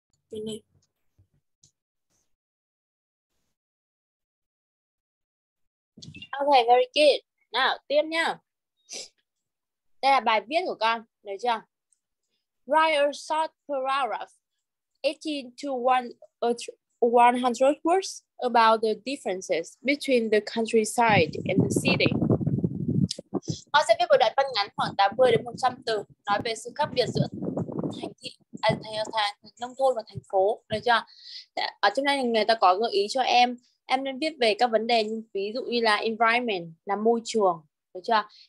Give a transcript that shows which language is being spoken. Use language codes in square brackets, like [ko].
[vi] cho nên [en] okay, very good. [vi] Nào, tiếp nha. Đây là bài viết của con, được chưa? [en] Write a short paragraph, 80 to 100 words about the differences between the countryside and the city. [vi] Con sẽ viết một đoạn văn ngắn khoảng 80 đến 100 từ nói về sự khác biệt giữa thành thị, nông thôn và thành phố, được chưa? Ở trong đây người ta có gợi ý cho em. Em nên viết về các vấn đề như ví dụ như là environment là môi trường, được chưa?